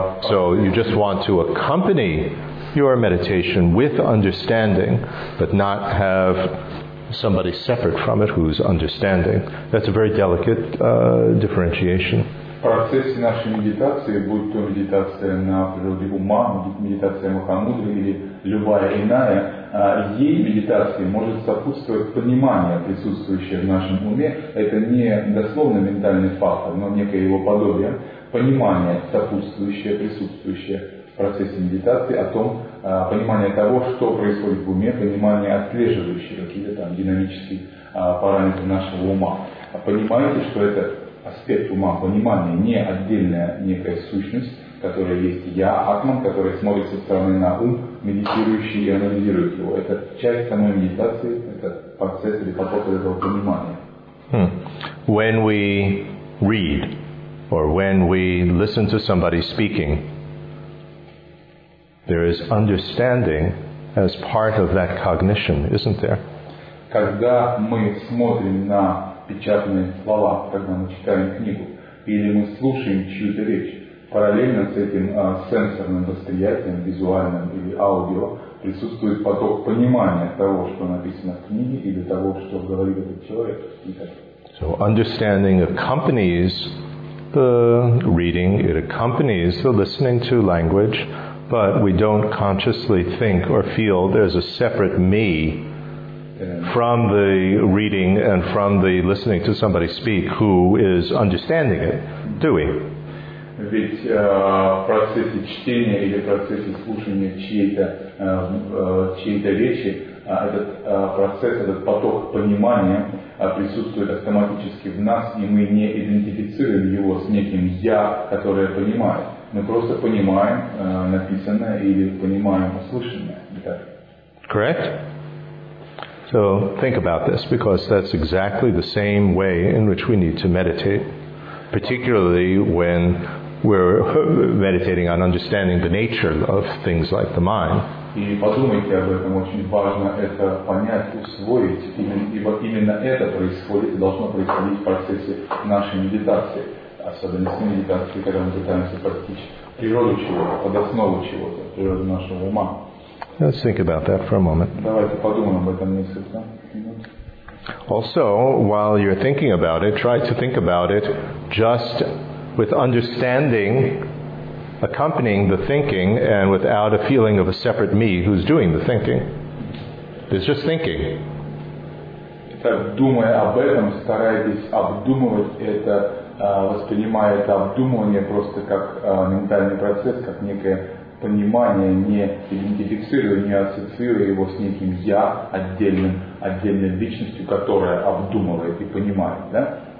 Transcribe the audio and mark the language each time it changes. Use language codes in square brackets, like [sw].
[en] So you just want to accompany your meditation with understanding, but not have somebody separate from it who's understanding. That's a very delicate differentiation. [ru] В процессе нашей медитации, будь то медитация на природе ума, медитация махамудре или любая иная, ей медитации может сопутствовать понимание, присутствующее в нашем уме. Это не дословно ментальный фактор, но некое его подобие. Понимание, сопутствующее, присутствующее в процессе медитации о том, понимание того, что происходит в уме, понимание, отслеживающее какие-то там динамические параметры нашего ума. Понимаете, что это аспект ума, понимание, не отдельная некая сущность, которая есть я, атман, который смотрит со стороны на ум, медитирующий и анализирует его. Это часть самой медитации, это процесс или поток этого понимания. [en] When we read, or when we listen to somebody speaking, there is understanding as part of that cognition, isn't there? [ru] Когда мы смотрим на печатные слова, когда мы читаем книгу, или мы слушаем чью-то речь, параллельно с этим сенсорным восприятием, визуальным или аудио, присутствует поток понимания того, что написано в книге, или того, что говорит этот человек. [en] So understanding accompanies the reading, it accompanies the listening to language, but we don't consciously think or feel there's a separate me from the reading and from the listening to somebody speak who is understanding it, do we? [ru] Ведь в процессе чтения или в процессе слушания чьей-то речи этот процесс, этот поток понимания присутствует автоматически в нас, и мы не идентифицируем его с неким «я», которое понимает. Мы просто понимаем написанное или понимаем услышанное. [en] Correct? So think about this, because that's exactly the same way in which we need to meditate, particularly when we're meditating on understanding the nature of things like the mind. [ru] И подумайте об этом, очень важно это понять, усвоить, ибо именно это происходит и должно происходить в процессе нашей медитации. Особенно с медитацией, когда мы пытаемся постичь природу чего-то, под основу чего-то, природу нашего ума. [en] Let's think about that for a moment. [ru] Давайте подумаем об этом несколько минут. [en] Also, while you're thinking about it, try to think about it just with understanding accompanying the thinking and without a feeling of a separate me who's doing the thinking. It's just thinking. [ru] Так, думая об этом, стараясь обдумывать это, воспринимая это обдумывание просто как ментальный процесс, как некое понимание, не идентифицируя, не ассоциируя его с неким «я» отдельной личностью, которая обдумывает и понимает, да?